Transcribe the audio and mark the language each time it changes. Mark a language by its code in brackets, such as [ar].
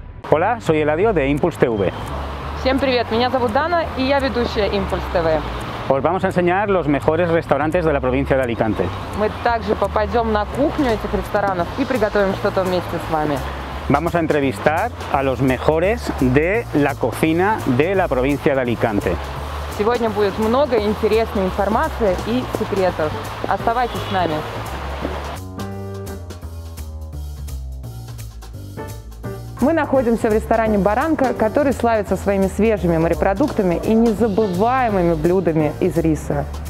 [es] Hola, soy Eladio de Impuls TV. [ru] Всем привет, меня зовут Дана и я ведущая Impuls TV. [es] Os vamos a enseñar los mejores restaurantes de la provincia de Alicante. [ru] Мы также попадем на кухню этих ресторанов и приготовим что-то вместе с вами. [es] Vamos a entrevistar a los mejores de la cocina de la provincia de Alicante. [ru] Сегодня будет много интересной информации и секретов. Оставайтесь с нами. Мы находимся в ресторане «Баранка», который славится своими свежими морепродуктами и незабываемыми блюдами из риса.